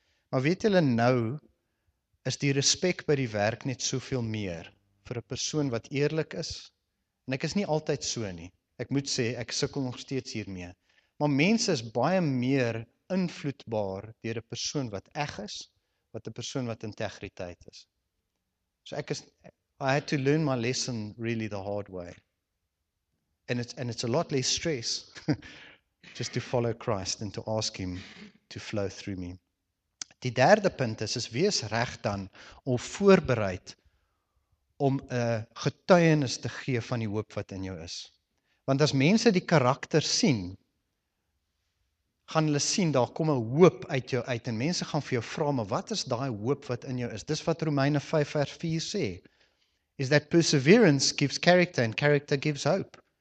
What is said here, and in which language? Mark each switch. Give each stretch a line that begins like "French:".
Afrikaans: Maar weet julle nou is die respek by die werk net soveel meer vir 'n persoon wat eerlik is. En ek is nie altyd so nie. Ek moet sê, ek sukkel nog steeds hiermee. Maar mense is baie meer invloedbaar deur 'n persoon wat eg is, wat 'n persoon wat integriteit is. So ek is,
English: I had to learn my lesson really the hard way. And it's a lot less stress just to follow Christ and to ask Him to flow through me.
Afrikaans: Die derde punt is, is wees reg dan om voorbereid om 'n getuienis te gee van die hoop wat in jou is. Want as mense die karakter sien, gaan hulle sien, daar kom 'n hoop uit jou uit, en mense gaan vir jou vra, maar wat is daai hoop wat in jou is? Dis wat Romeine 5 vers 4 sê.
English: Is that perseverance gives character, and character gives hope.